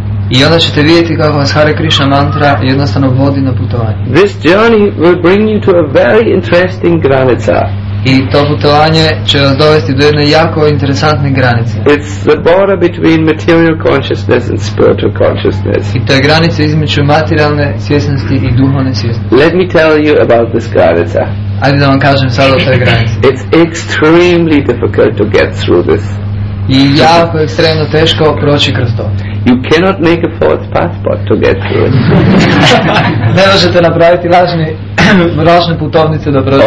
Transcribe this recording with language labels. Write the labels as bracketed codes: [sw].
[hr] I onda ćete vidjeti kako vas Hare Krishna Mantra jednostavno vodi na putovanje. [en] This journey will bring you to a very interesting granica. [hr] I to putovanje će vas dovesti do jedne jako interesantne granice. [en] It's the border between material consciousness and spiritual consciousness. [hr] I to je granica između materijalne svjesnosti i duhovne svjesnosti. [en] Let me tell you about this granica. [hr] Ajde da vam kažem sad o toj granici. [en] It's extremely difficult to get through this. [hr] I jako ekstremno teško proći kroz to. [en] You cannot make a false passport to get through it. [hr] Ne možete napraviti lažni vlastne putovnice da prođete.